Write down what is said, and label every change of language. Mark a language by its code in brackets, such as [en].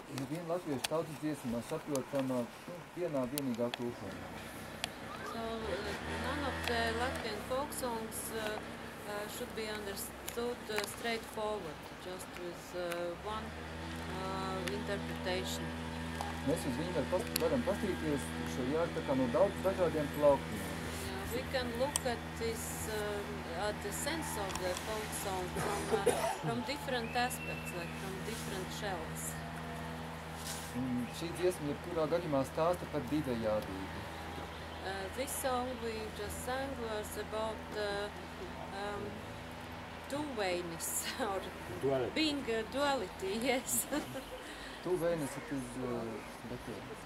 [lv] vien latviešu tautas dziesmā saprotama vienā vienīgā tulkojumā. [en] So, none of the Latvian folk songs should be understood straightforward, just with one interpretation. [lv] Mēs uz viņu varam paskatīties šo jāru tā kā no daudz dažādiem plauktiem. [en] We can look at this, at the sense of the folk song from different aspects, like from different shells. [lv] Šī dziesma jebkurā gadījumā stāsta par divējādību. [en] This song we just sang was about two-wayness, or duality. Being a duality, yes. Two-wayness, it is better.